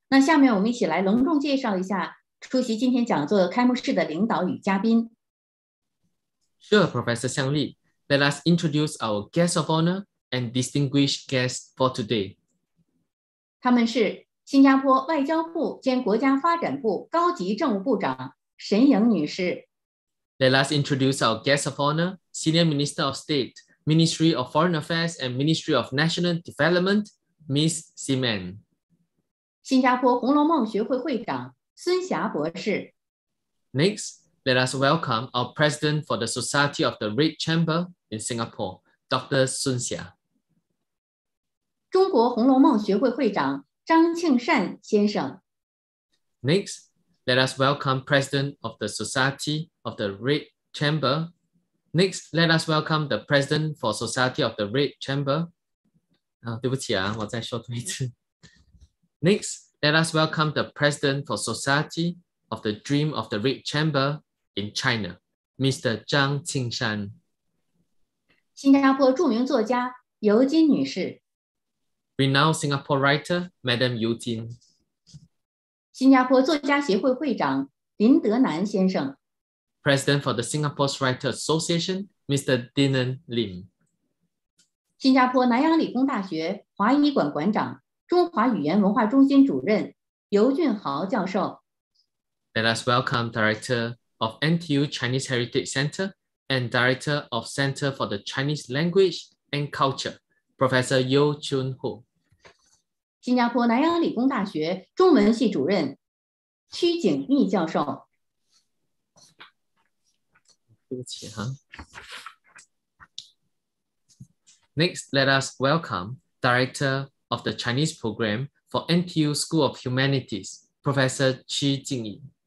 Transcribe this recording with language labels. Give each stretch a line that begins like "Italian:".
Chinese: 那下面我们一起来隆重介绍一下出席今天讲座开幕式的领导与嘉宾。
English: Sure, Professor Xiang Li. Let us introduce our guest of honor and distinguished guest for today.
Chinese: 他们是新加坡外交部兼国家发展部高级政务部长沈勇女士。
English: Let us introduce our guest of honor, Senior Minister of State, Ministry of Foreign Affairs and Ministry of National Development, Ms. Simon.
Chinese: 新加坡红楼梦学会会长孙霞博士。
English: Next, let us welcome our President for the Society of the Red Chamber in Singapore, Dr.
Chinese: 孙霞。中国红楼梦学会会长张庆善先生。
English: Next,Let us welcome President of the Society of the Red Chamber. Next, let us welcome the President for Society of the Red Chamber.
Chinese: 对不起啊，我再说一次。
English: Next, let us welcome the President for Society of the Dream of the Red Chamber in China, Mr. Zhang Qingshan.
Chinese: 新加坡著名作家尤金女士。
English: Renowned Singapore writer, Madam Yu Jin.
Chinese: 新加坡作家协会会长林德南先生。
English: President for the Singapore Writers Association, Mr. Dinan Lim.
Chinese: 新加坡南洋理工大学华语馆馆长、中华语言文化中心主任尤俊豪教授。
English: Let us welcome Director of NTU Chinese Heritage Center and Director of Center for the Chinese Language and Culture, Professor Yeo Chun Ho.
Chinese: 新加坡南洋理工大学中文系主任屈景逆教授。对不起哈。
English: Next, let us welcome Director of the Chinese Program for NTU School of Humanities, Professor 屈景逆。